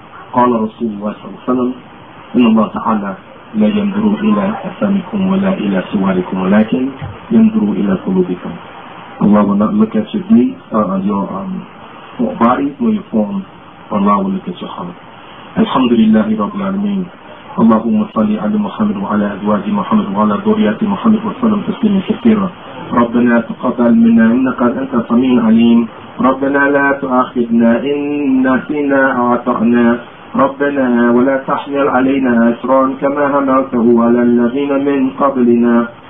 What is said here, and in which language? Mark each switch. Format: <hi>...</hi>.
<ar>Qala Rasulullah sallallahu alayhi wa sallam, inna Allah ta'ala لا ينظروا إلى أسامكم ولا إلى سواركم ولكن ينظروا إلى قلوبكم.</ar> <en>Allah will not look at your deeds, your body or your form. Allah will look at your heart.</en> <ar>الحمد لله رب العالمين. اللهم صل على محمد وعلى أزواج محمد وعلى ذريات محمد وسلم تسليما كثيرا. ربنا تقبل منا إنك أنت السميع العليم. ربنا لا تؤاخذنا إن نسينا أو أخطأنا. ربنا ولا تحمل علينا إصرا كما حملته على الذين من قبلنا.</ar>